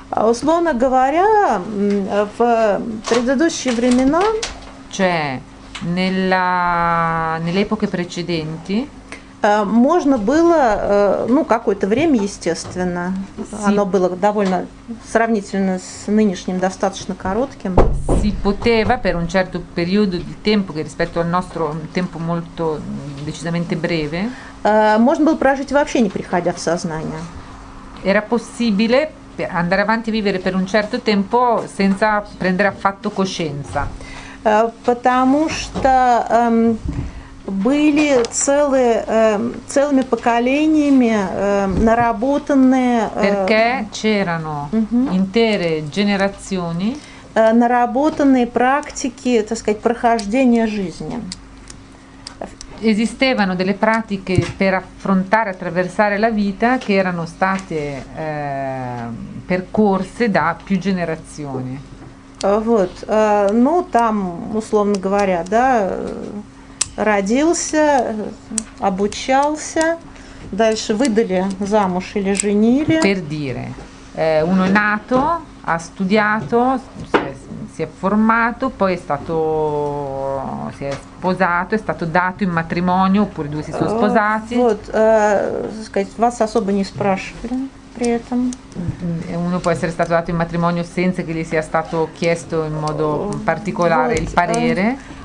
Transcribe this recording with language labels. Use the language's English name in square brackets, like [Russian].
[Russian] Условно говоря, в предыдущие времена, [Italian] cioè nelle epoche precedenti, [Russian] можно было, ну, какое-то время, естественно, si, оно было довольно сравнительно с нынешним достаточно коротким. [Italian] Si poteva per un certo periodo di tempo che rispetto al nostro tempo molto decisamente breve. [Russian] Можно было прожить вообще не приходя в сознание. [Italian] Era possibile andare avanti a vivere per un certo tempo senza prendere affatto coscienza. [Russian] Потому что были целыми поколениями наработанные. [Italian] Perché c'erano intere generazioni. [Russian] Наработанные практики, так сказать, прохождения жизни. [Italian] Esistevano delle pratiche per affrontare, attraversare la vita che erano state percorse da più generazioni. [Russian] Вот, ну там условно говоря, да, родился, обучался, дальше выдали замуж или женили. [Italian] Per dire, uno è nato, ha studiato, si è formato, poi è stato si è sposato, è stato dato in matrimonio, oppure due si sono sposati. [Russian] Вот, вас особо не спрашивали при этом. [Italian] Uno può essere stato dato in matrimonio senza che gli sia stato chiesto in modo particolare il parere.